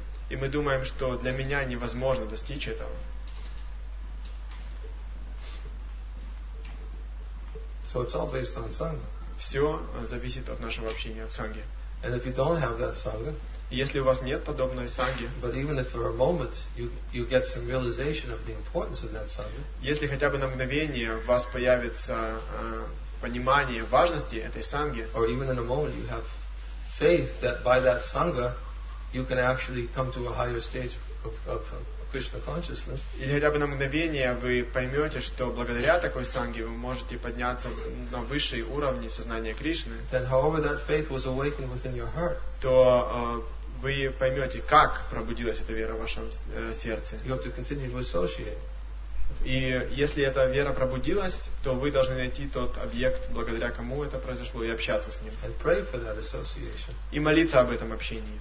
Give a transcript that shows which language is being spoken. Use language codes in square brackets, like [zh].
[ru] И мы думаем, что для меня невозможно достичь этого. [en] So it's all based on sangha. [ru] Все зависит от нашего общения в санге. [en] And if you don't have that sangha, [ru] если у вас нет подобной санги, [en] but even if for a moment you get some realization of the importance of that sangha, [ru] если хотя бы на мгновение в вас появится понимание важности этой санги, [en] or even in a moment you have faith that by that sangha you can actually come to a higher stage of Krishna consciousness. [ru] Или хотя бы на мгновение вы поймете, что благодаря такой санге вы можете подняться на высшие уровни сознания Кришны. [en] Then, however, that faith was awakened within your heart. [ru] То вы поймете, как пробудилась эта вера в вашем сердце. [en] You have to continue to associate. [ru] И если эта вера пробудилась, то вы должны найти тот объект, благодаря кому это произошло, и общаться с ним. [en] And pray for that association. [ru] И молиться об этом общении.